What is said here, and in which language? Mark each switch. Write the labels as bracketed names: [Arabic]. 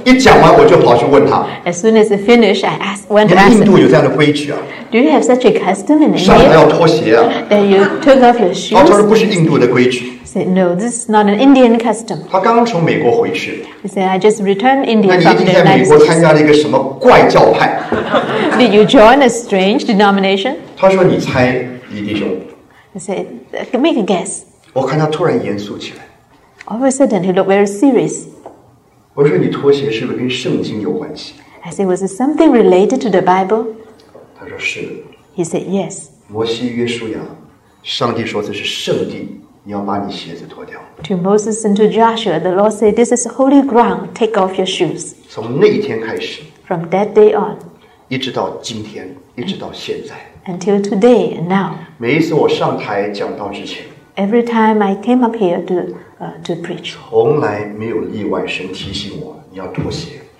[Chinese] 一讲完我就跑去问他。 [English] As soon as it finished, I asked, went to ask. [Chinese] 印度有这样的规矩啊。 [English] Do you have such a custom in India? [Chinese] 上台要脱鞋啊。 [English] That you took off your shoes? [Chinese] 他说不是印度的规矩。 [English] Said, no, this is not an Indian custom. [Chinese] 他刚从美国回去。 [English] He said, I just returned India from the United States. [Chinese] 那你一定在美国参加了一个什么怪教派。 [English] Did you join a strange denomination? [Chinese] 他说你猜，李弟兄。 [English] He said, make a guess. [Chinese] 我看他突然严肃起来。 [English] All of a sudden, he looked very serious. [Chinese] 我说你脱鞋是不是跟圣经有关系？ [English] I said, was it something related to the Bible? [Chinese] 他说是。 [English] He said, yes. [Chinese] 摩西约书亚，上帝说这是圣地。 [English] To Moses and to Joshua, the Lord said, this is holy ground, take off your shoes. [Chinese] 从那一天开始, [English] from that day on, [Chinese] 一直到今天, 一直到现在, [English] until today and now, [Chinese] 每一次我上台讲道之前, [English] every time I came up here to preach, [Chinese] 从来没有例外神提醒我, 你要脱鞋,